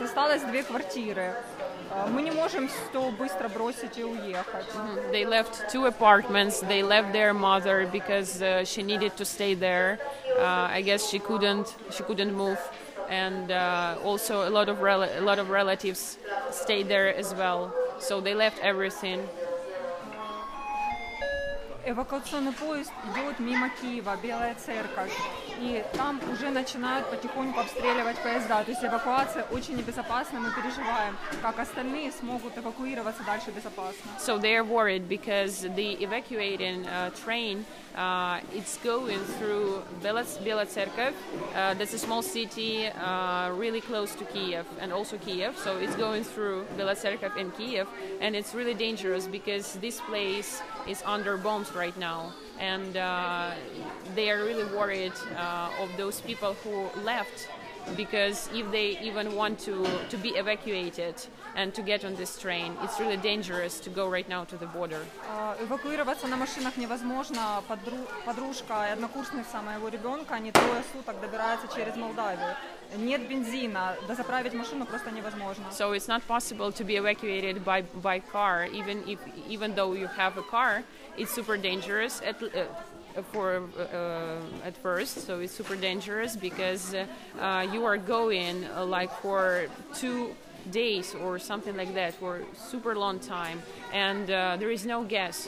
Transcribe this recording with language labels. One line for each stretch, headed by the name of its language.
Russian: Осталось 2 квартиры. Мы не можем все быстро бросить и уехать. Mm-hmm.
English: They left 2 apartments. They left their mother because she needed to stay there. I guess she couldn't move. And also a lot of relatives stayed there as well. So they left everything.
Russian: Эвакуационный поезд идет мимо Киева, Белая Церковь, и там уже начинают потихоньку обстреливать поезда. То есть эвакуация очень небезопасна, мы переживаем, как остальные смогут эвакуироваться дальше безопасно.
English: So they are worried because the evacuating train it's going through Bela Tserkov. That's a small city really close to Kiev and also Kiev. So it's going through Bela Tserkov and Kiev, and it's really dangerous because this place is under bombs right now, and they are really worried of those people who left, because if they even want to be evacuated and to get on this train, it's really dangerous to go right now to the border.
Russian: Эвакуироваться на машинах невозможно. Подружка и однокурсница моего ребенка, они трое суток добираются через Молдавию. Нет бензина, дозаправить машину просто невозможно.
English: So it's not possible to be evacuated by car, even though you have a car, it's super dangerous at first, so it's super dangerous because you are going like for 2 days or something like that, for super long time, and there is no gas.